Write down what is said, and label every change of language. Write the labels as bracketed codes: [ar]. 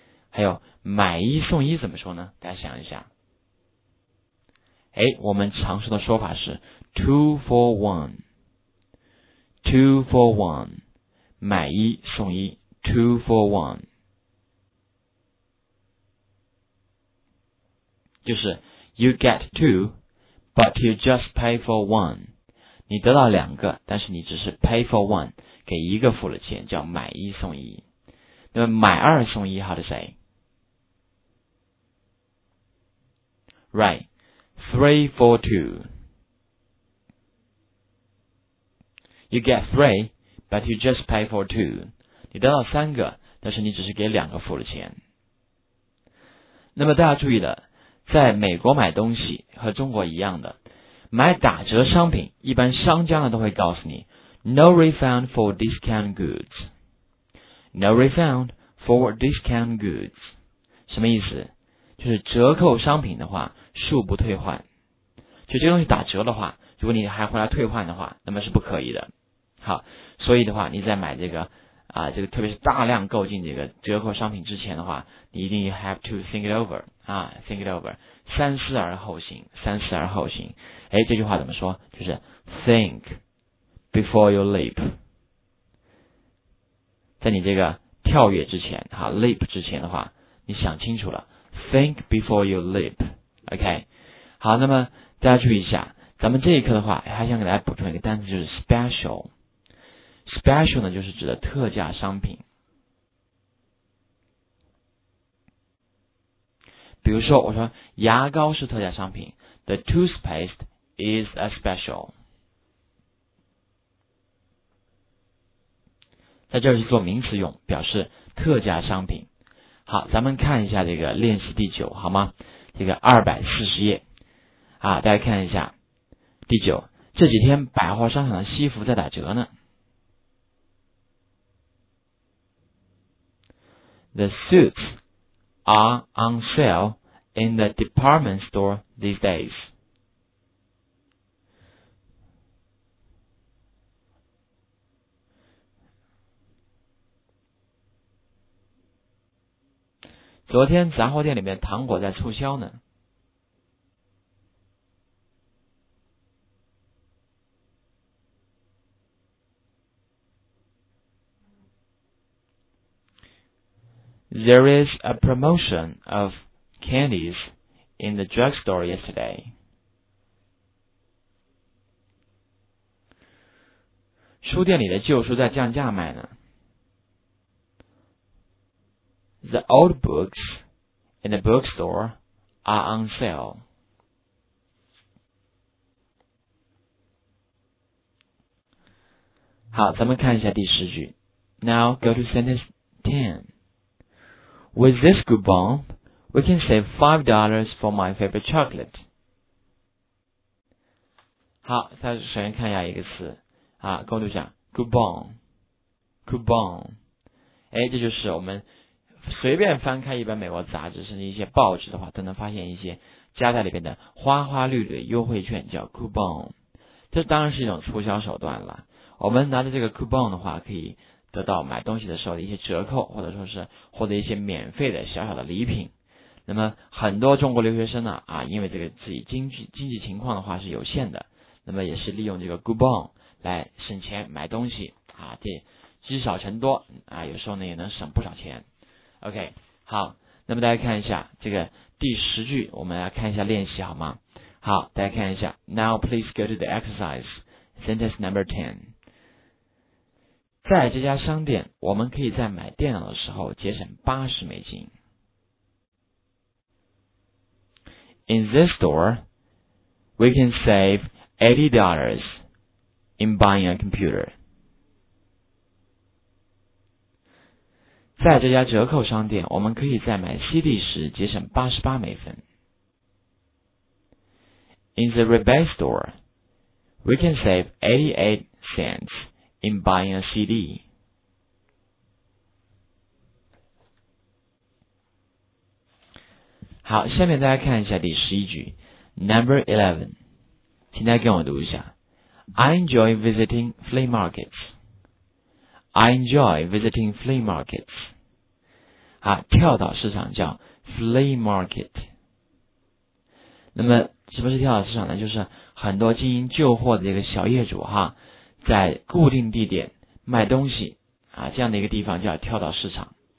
[zh] 还有买一送一怎么说呢？大家想一下，哎，我们常说的说法是 [en] two for one， [zh] two for one，买一送一，two for one，就是 [en] you get two，but you just pay for one， [zh] 你得到两个，但是你只是 [en] pay for one， [zh] 给一个付了钱，叫买一送一。那么买二送一， [en] how to say？Right，three for two。 You get three, but you just pay for two。 [zh] 你得到三个，但是你只是给两个付了钱。那么大家注意了，在美国买东西和中国一样的，买打折商品，一般商家呢都会告诉你， [en] no refund for discount goods， no refund。 For discount goods， [zh] 什么意思？就是折扣商品的话，恕不退换。就这个东西打折的话，如果你还回来退换的话，那么是不可以的。好，所以的话，你在买这个这个特别是大量购进这个折扣商品之前的话，你一定 [en] have to think it over [zh] 啊， [en] think it over， [zh] 三思而后行，三思而后行。哎，这句话怎么说？ [en] 就是 think before you leap， [zh] 在你这个。跳跃之前，哈，leap 之前的话，你想清楚了， [en] think before you leap， [zh] OK，、okay? 好，那么大家注意一下，咱们这一课的话，还想给大家补充一个单词，就是 special，special 呢就是指的特价商品，比如说我说牙膏是特价商品， [en] the toothpaste is a special， [zh] 在这儿是做名词用，表示特价商品。好，咱们看一下这个练习第九，好吗？这个240页啊，大家看一下第九。这几天百货商场的西服在打折呢。 [en] The suits are on sale in the department store these days. [zh] 昨天杂货店里面糖果在促销呢。 [en] There is a promotion of candies in the drugstore yesterday. [zh] 书店里的旧书在降价卖呢。 [en] The old books in the bookstore are on sale. [zh] 好，咱们看一下第十句。 [en] Now go to sentence 10. With this coupon, we can save $5 for my favorite chocolate. [zh] 好，咱首先看一下一个词啊，共读一下 coupon. 哎，这就是我们。随便翻开一本美国杂志，甚至一些报纸的话，都能发现一些夹在里边的花花绿绿优惠券，叫 coupon。这当然是一种促销手段了。我们拿着这个 coupon 的话，可以得到买东西的时候的一些折扣，或者说是获得一些免费的小小的礼品。那么很多中国留学生呢，因为这个自己经济情况的话是有限的，那么也是利用这个 coupon 来省钱买东西啊，这积少成多啊，有时候呢也能省不少钱。OK，好，那么大家看一下这个第十句，我们来看一下练习好吗？好，大家看一下。 [en] Now please go to the exercise. Sentence number 10. [zh] 在这家商店，我们可以在买电脑的时候节省80美金。 [en] In this store, we can save $80 in buying a computer. [zh] 在这家折扣商店，我们可以在买 CD 时节省88美分。 [en] In the rebate store, we can save 88 cents in buying a CD. [zh] 好，下面大家看一下第十一句 , [en] Number 11, [zh] 请大家跟我读一下。 [en] I enjoy visiting flea markets. [zh] 好，跳蚤市场叫 flea market。那么什么是跳蚤市场呢？就是很多经营旧货的这个小业主哈，在固定地点卖东西啊，这样的一个地方叫跳蚤市场。